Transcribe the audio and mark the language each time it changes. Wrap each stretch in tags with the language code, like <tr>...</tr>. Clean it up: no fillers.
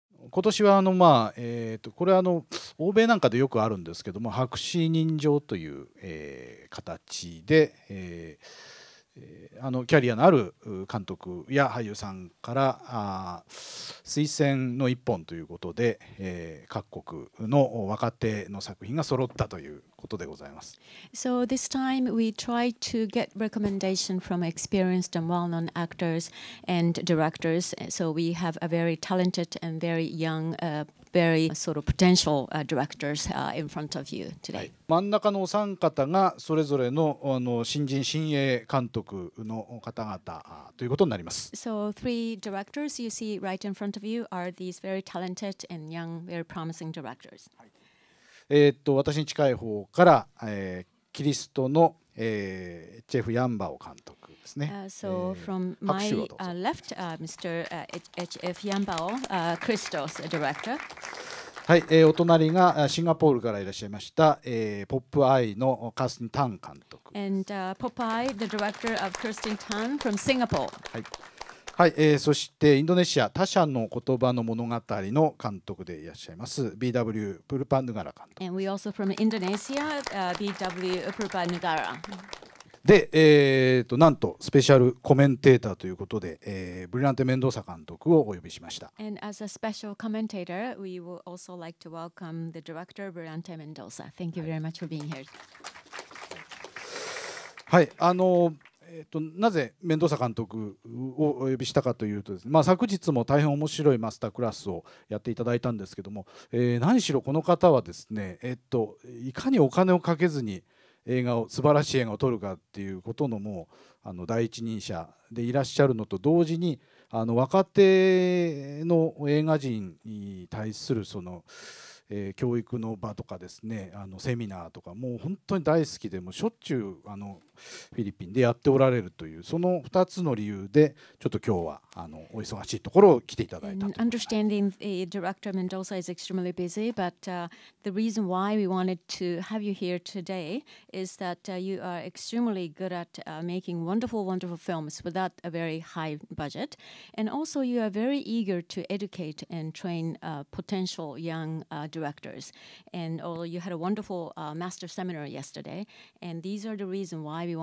<ja>今年はあの、まあこれはあの欧米なんかでよくあるんですけども、博士人情という、形で、あのキャリアのある監督や俳優さんから推薦の一本ということで、各国の若手の作品が揃ったということでございます。</ja> <en>So this time we try to get recommendation from experienced and well-known actors and directors. So we have a very talented and very young, very sort of potential directors in front of you today.</en> <ja>真ん中のお三方がそれぞれの、あの新人新鋭監督の方々ということになります。</ja> <en>So three directors you see right in front of you are these very talented and young, very promising directors.</en> <ja>私に近い方から、キリストの、チェフ・ヤンバオ監督ですね。</ja> <en>So from my left, Mr. H.F. Yambao, Kristo's director.</en> <ja>はい、お隣がシンガポールからいらっしゃいました、ポップアイのKirsten Tan監督。</ja> <en>And Popeye, the director of Kirsten Tan from Singapore.</en> <ja>はい。はい、そしてインドネシア他者の言葉の物語の監督でいらっしゃいます BW Purba Negara 監督。</ja> <en>And we also from Indonesia, BW Purba Negara.</en> <ja>で、なんとスペシャルコメンテーターということで、Brillante Mendoza 監督をお呼びしました。</ja> <en>And as a special commentator, we would also like to welcome the director Brillante Mendoza. Thank you very much for being here.</en> <ja>はい、なぜメンドーサ監督をお呼びしたかというとですね、まあ、昨日も大変面白いマスタークラスをやっていただいたんですけども、何しろこの方はですね、いかにお金をかけずに映画を素晴らしい映画を撮るかっていうことのもうあの第一人者でいらっしゃるのと同時にあの若手の映画人に対するその教育の場とかですね、あのセミナーとかもう本当に大好きでもしょっちゅうあのフィリピンでやっておられるというその2つの理由でちょっと今日はあのお忙しいところを来ていただいたと。</ja> <en>Understanding the director Mendoza is extremely busy, but the reason why we wanted to have you here today is that you are extremely good at making wonderful, wonderful films without a very high budget, and also you are very eager to educate and train potential young directors, and oh, you had a wonderful master seminar yesterday, and these are the reason why.</en>